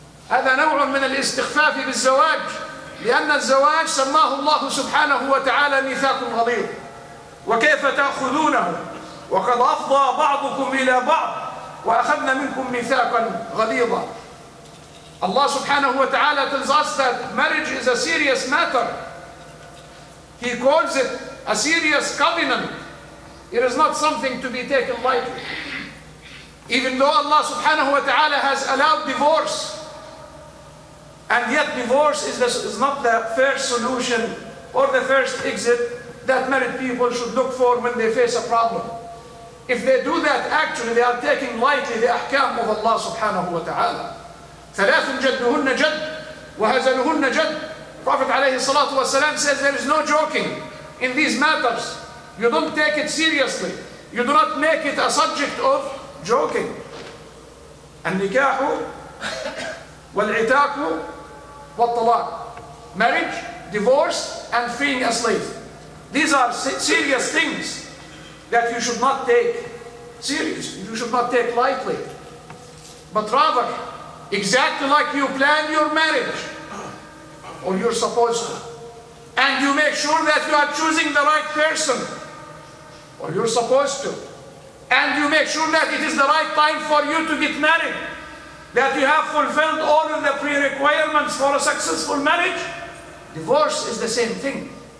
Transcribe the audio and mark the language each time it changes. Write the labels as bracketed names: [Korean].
[Arabic] هذا نوع من الاستخفاف بالزواج، لأن الزواج سماه الله سبحانه وتعالى ميثاق غليظ، وكيف تأخذونه وقد أفضى بعضكم إلى بعض وأخذنا منكم ميثاقا غليظا. [English] الله سبحانه وتعالى tells us that marriage is a serious matter. He calls it a serious covenant. It is not something to be taken lightly. Even though Allah subhanahu wa ta'ala has allowed divorce, and yet divorce is not the first solution or the first exit that married people should look for when they face a problem. If they do that, actually they are taking lightly the ahkam of Allah subhanahu wa ta'ala. [Arabic] ثلاث جدهن جد وهزلهن جد. [English] Prophet عليه الصلاة والسلام says there is no joking in these matters. You don't take it seriously. You do not make it a subject of joking. [Arabic] النكاح والعتاق والطلاق. [English] Marriage, divorce, and freeing a slave. These are serious things that you should not take seriously. You should not take lightly. But rather, exactly like you plan your marriage, or you're supposed to, and you make sure that you are choosing the right person, or you're supposed to, and you make sure that it is the right time for you to get married, that you have fulfilled all of the prerequisites for a successful marriage, divorce is the same thing.